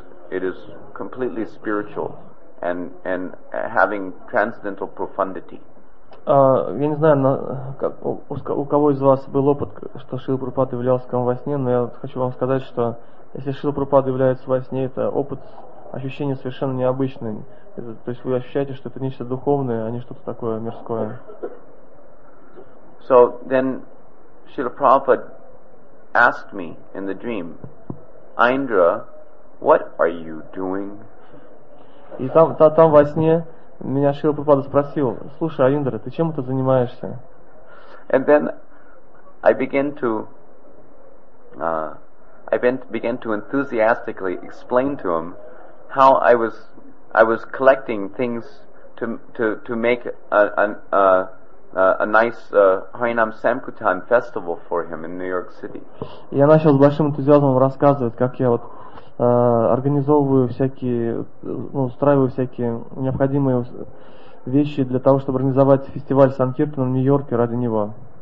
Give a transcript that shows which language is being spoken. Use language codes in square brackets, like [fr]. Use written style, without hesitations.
[en] It is completely spiritual and having transcendental profundity. [ru] Я не знаю, у кого из вас был опыт, что Шрила Прабхупада являлся к вам во сне, но я хочу вам сказать, что если Шрила Прабхупада является во сне, это опыт, ощущение совершенно необычное. То есть вы ощущаете, что это нечто духовное, а не что-то такое мирское. [en] So then Шрила Прабхупада asked me in the dream, Indra, what are you doing? [ru] И там во сне меня Шрила Прабхупада спросил: "Слушай, Индра, ты чем это занимаешься?" [en] And then I began to enthusiastically explain to him how I was collecting things to make a nice Harinam Sankirtan festival for him in New York City. [ru] Я начал с большим энтузиазмом рассказывать, как я вот организовываю всякие, ну, устраиваю всякие необходимые вещи для того, чтобы организовать фестиваль Санкиртана в Нью-Йорке ради него.